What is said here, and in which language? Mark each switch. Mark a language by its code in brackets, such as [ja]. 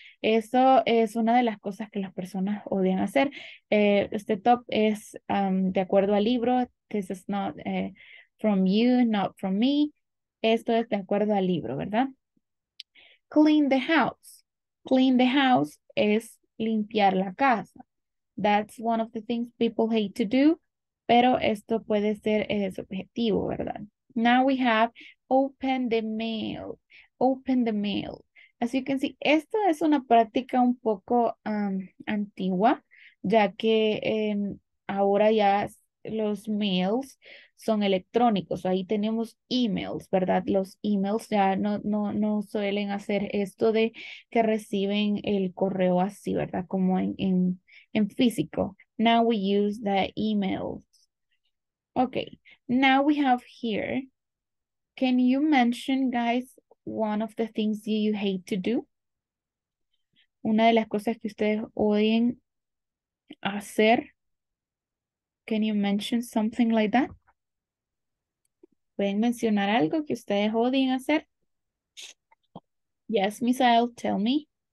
[es] Eso es una de las cosas que las personas odian hacer. Este top es de acuerdo al libro. [en] This is not from you, not from me. [es] Esto es de acuerdo al libro, ¿verdad? [en] Clean the house. Clean the house [es] es limpiar la casa. [en] That's one of the things people hate to do, [es] pero esto puede ser subjetivo, ¿verdad? [en] Now we have open the mail. Open the mail. As you can see, [es] esto es una práctica un poco antigua, ya que ahora ya los mails son electrónicos. Ahí tenemos emails, ¿verdad? Los emails ya no suelen hacer esto de que reciben el correo así, ¿verdad? Como en físico. [en] Now we use the emails. Okay. Now we have here. Can you mention, guys, one of the things you hate to do? [es] Una de las cosas que ustedes odian hacer. [en] Can you mention something like that? [es] ¿Pueden mencionar algo que ustedes odian hacer? [en] Yes, Misael, tell me.